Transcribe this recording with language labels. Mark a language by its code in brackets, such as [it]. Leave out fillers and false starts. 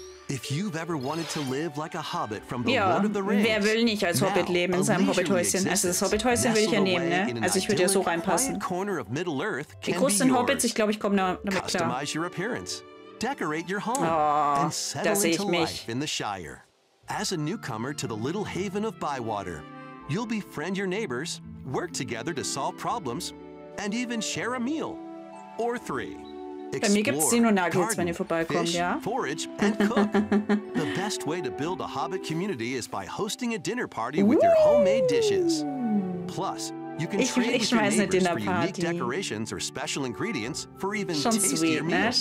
[en] If you've ever wanted to live like a hobbit from the Lord of the Rings. [de] Wer will nicht als Hobbit leben in seinem Hobbithäuschen? Also das Hobbithäuschen würde ich ja nehmen, ne? Also ich würde ja so reinpassen. Wie groß sind Hobbits? Ich glaube, ich komme damit klar. [en] Customize your appearance. Decorate your home. [de] Da sehe ich mich. [en] In the Shire. As a newcomer to the little haven of Bywater, you'll befriend your neighbors, work together to solve problems and even share a meal or three. [de] Bei mir gibt es sie nur Nuggets, wenn ihr vorbeikommt, ja? [en] Forage and cook. The best way to build a hobbit community is by hosting a dinner party with your homemade dishes. Plus, you can trade with your neighbors for unique decorations or special ingredients for even tastier meals.